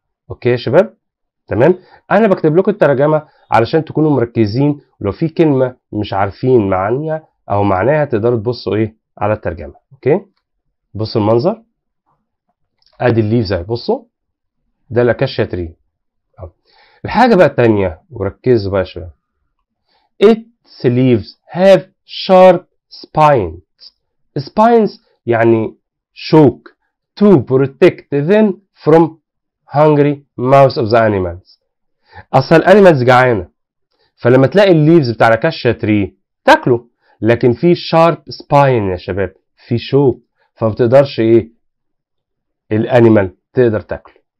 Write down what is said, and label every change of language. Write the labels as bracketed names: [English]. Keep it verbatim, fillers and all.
[Arabic] اوكي يا شباب تمام. انا بكتب لكم الترجمه علشان تكونوا مركزين، ولو في كلمه مش عارفين معناها او معناها تقدروا تبصوا ايه على الترجمه. اوكي بصوا المنظر، ادي الليفز اهي، بصوا ده الاكاشيا تري. الحاجه بقى الثانيه وركزوا بقى شويه، [English] its leaves have sharp spines. spines [Arabic] يعني شوك [English] to protect them from hungry mouths of the animals. [Arabic] اصل الانيمالز جعانه، فلما تلاقي الليفز بتاع الاكاشيا تري تاكله، لكن في شارب سباين يا شباب، في شوك، فما بتقدرش ايه الانيمال تقدر تاكله.